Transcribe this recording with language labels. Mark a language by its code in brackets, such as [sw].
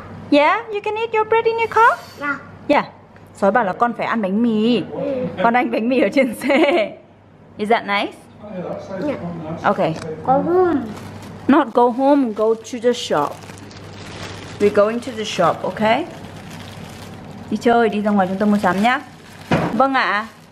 [en] Yeah, you can eat your bread in your car? Yeah. [vi] Sói bảo là con phải ăn bánh mì. Con ăn bánh mì ở trên xe. [en] Is that nice? Yeah. Okay. Go home. Not go home, go to the shop. We're going to the shop, okay? [vi] Đi chơi, đi ra ngoài chúng ta mua sắm nhá. Vâng ạ.